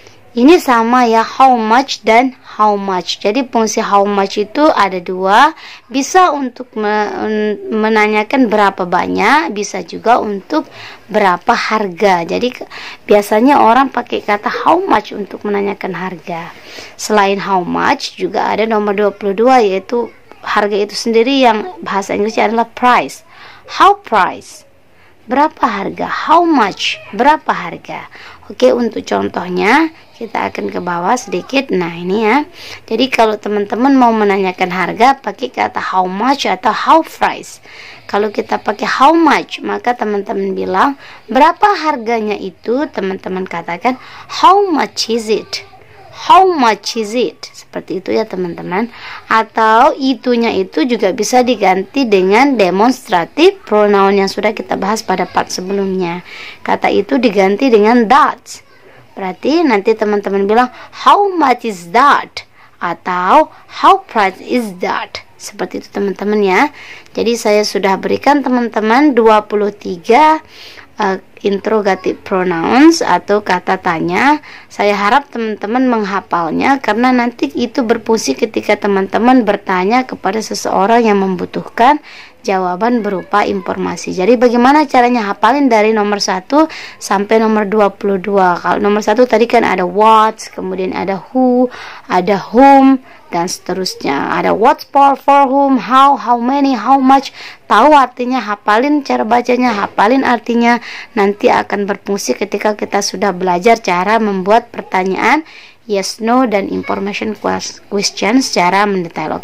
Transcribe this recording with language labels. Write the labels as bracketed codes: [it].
[id] Ini sama ya, how much dan how much. Jadi fungsi how much itu ada dua, bisa untuk menanyakan berapa banyak, bisa juga untuk berapa harga. Jadi biasanya orang pakai kata how much untuk menanyakan harga. Selain how much, juga ada nomor 22 yaitu harga itu sendiri yang bahasa Inggrisnya adalah price. [en] How price? [id] Berapa harga? [en] How much? [id] Berapa harga? Oke, untuk contohnya kita akan ke bawah sedikit. Nah, ini ya. Jadi kalau teman-teman mau menanyakan harga pakai kata how much atau how price. Kalau kita pakai how much, maka teman-teman bilang berapa harganya itu, teman-teman katakan [en] how much is it? How much is it? [id] Seperti itu ya, teman-teman. Atau itunya itu juga bisa diganti dengan demonstrative pronoun yang sudah kita bahas pada part sebelumnya. Kata itu diganti dengan that. Berarti nanti teman-teman bilang [en] how much is that [id] atau [en] how price is that. [id] Seperti itu teman-teman ya. Jadi saya sudah berikan teman-teman 23 interrogative pronouns atau kata tanya. Saya harap teman-teman menghafalnya karena nanti itu berfungsi ketika teman-teman bertanya kepada seseorang yang membutuhkan jawaban berupa informasi. Jadi bagaimana caranya hafalin dari nomor 1 sampai nomor 22? Kalau nomor 1 tadi kan ada what, kemudian ada who, ada whom, dan seterusnya. Ada what for whom, how many, how much. Tahu artinya, hafalin cara bacanya, hafalin artinya, nanti akan berfungsi ketika kita sudah belajar cara membuat pertanyaan yes no dan information question secara mendetail.